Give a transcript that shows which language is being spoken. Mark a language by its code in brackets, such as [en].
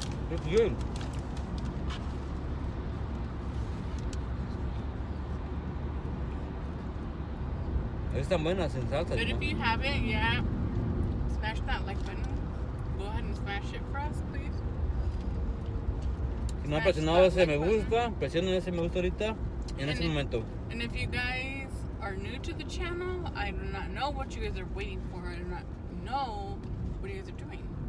[en] It's good. But if you haven't, yeah, smash that like button. Go ahead and smash it for us, please. [es] Si no presionado ese me gusta, presionen ese me gusta ahorita en ese momento. [en] And if you guys are new to the channel, I do not know what you guys are waiting for. I do not know what you guys are doing.